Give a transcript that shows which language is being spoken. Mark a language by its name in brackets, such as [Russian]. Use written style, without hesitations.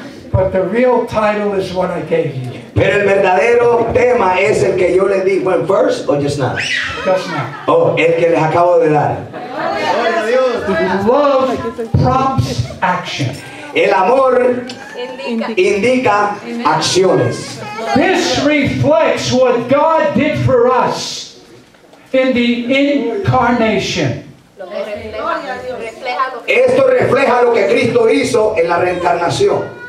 [English] But the real title is what I gave you. [Spanish] Pero el verdadero tema es el que yo le di. [English] Went first or just now? Just now. [Spanish] Oh, el que les acabo de dar. [English] Love prompts action. [Spanish] El amor indica acciones. [English] This reflects what God did for us in the incarnation. [Spanish] Esto refleja lo que Cristo hizo en la reencarnación.